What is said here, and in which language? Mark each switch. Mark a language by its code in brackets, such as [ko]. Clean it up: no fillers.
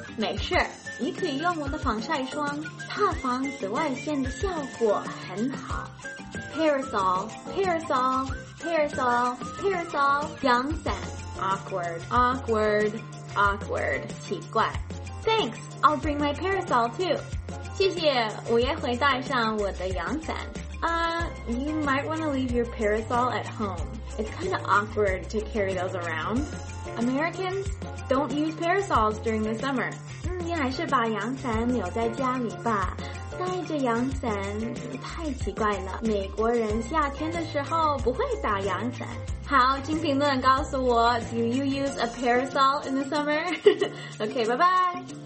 [zh] 没事，你可以用我的防晒霜，它防紫外线的效果很好。 [en] Parasol, parasol, parasol, parasol. 阳伞 awkward, awkward, awkward. [zh] 奇怪。 [en] Thanks, I'll bring my parasol too. [zh] 谢谢，我也会带上我的阳伞。 [en] You might want to leave your parasol at home. It's kind of awkward to carry those around. Americans, don't use parasols during the summer. [zh] 你还是把阳伞留在家里吧，带着阳伞太奇怪了。美国人夏天的时候不会打阳伞。好，请评论告诉我 [en] ，Do you use a parasol in the summer? Okay, bye bye.